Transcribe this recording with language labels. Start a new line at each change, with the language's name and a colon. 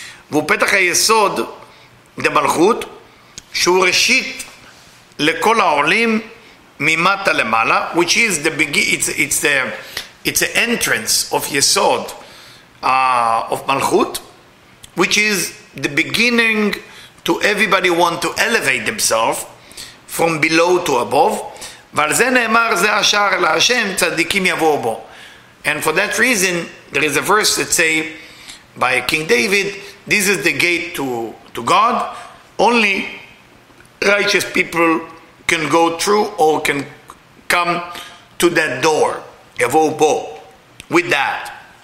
Hebrew: V'upetach ha-yesod,
English: the malchut,
Hebrew: שהוא ראשית לכל העולים ממטה למעלה,
English: which is the beginning, it's the entrance of Yesod, of Malchut, which is the beginning to everybody want to elevate themselves from below to above.
Hebrew: ועל זה נאמר זה השער להשם, צדיקים יבואו בו.
English: And for that reason, there is a verse that say, by King David, this is the gate to God, only righteous people can go through or can come to that door,
Hebrew: Yavohu Bo,
English: with that.